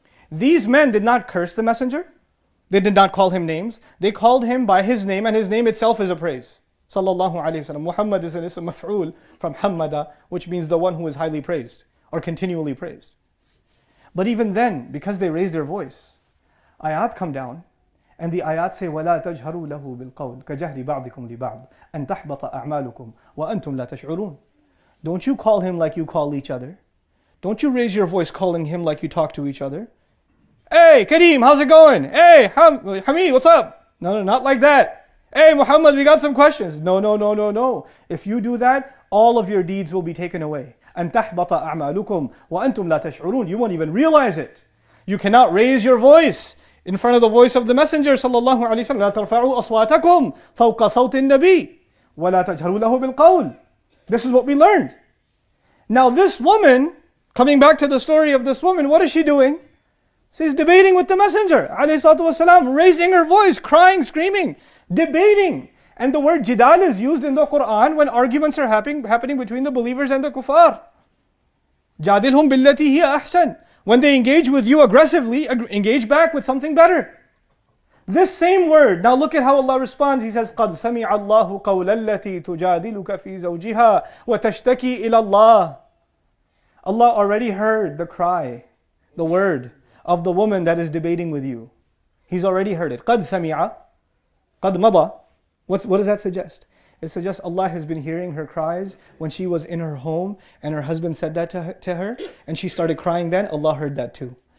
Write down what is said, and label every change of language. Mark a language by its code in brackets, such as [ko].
[en] These men did not curse the Messenger. They did not call him names. They called him by his name, and his name itself is a praise. Sallallahu alaihi wasallam. Muhammad is an ism maf'ul from hammada, which means the one who is highly praised or continually praised. But even then, because they raised their voice, ayat come down. And the ayat say, [ar] وَلَا تَجْهَرُوا لَهُ بِالْقَوْلِ كَجَهْرِ بَعْضِكُمْ لِبَعْضِ أَنْ تَحْبَطَ أَعْمَالُكُمْ وَأَنْتُمْ لَا تَشْعُرُونَ. [en] Don't you call him like you call each other. Don't you raise your voice calling him like you talk to each other. Hey, Kareem, how's it going? Hey, Hamid, what's up? No, not like that. Hey, Muhammad, we got some questions. No. If you do that, all of your deeds will be taken away. [ar] أَنْ تَحْبَطَ أَعْمَالُكُمْ وَأَنْتُمْ لَا تَشْعُرُونَ. [en] You won't even realize it. You cannot raise your voice in front of the voice of the Messenger sallallahu alaihi wasallam. [ar] لَا تَرْفَعُوا أَصْوَاتَكُمْ فَوْقَ صَوْتِ النَّبِيِّ وَلَا تَجْهَرُوا لَهُ بِالْقَوْلِ. [en] This is what we learned. Now this woman, coming back to the story of this woman, what is she doing? She's debating with the messenger, alayhi salatu wasalam, raising her voice, crying, screaming, debating. And the word jidal is used in the Quran when arguments are happening between the believers and the kuffar. [ar] Jadilhum billati hiya ahsan. [en] When they engage with you aggressively, engage back with something better. This same word, now look at how Allah responds. He says, [ar] قَدْ سَمِعَ اللَّهُ قَوْلَ الَّتِي تُجَادِلُكَ فِي زَوْجِهَا وَتَشْتَكِي إِلَى اللَّهِ. [en] Allah already heard the cry, the word of the woman that is debating with you. He's already heard it. [ar] قَدْ سَمِعَ قَدْ مَضَى. [en] What does that suggest? It suggests Allah has been hearing her cries when she was in her home and her husband said that to her and she started crying then, Allah heard that too.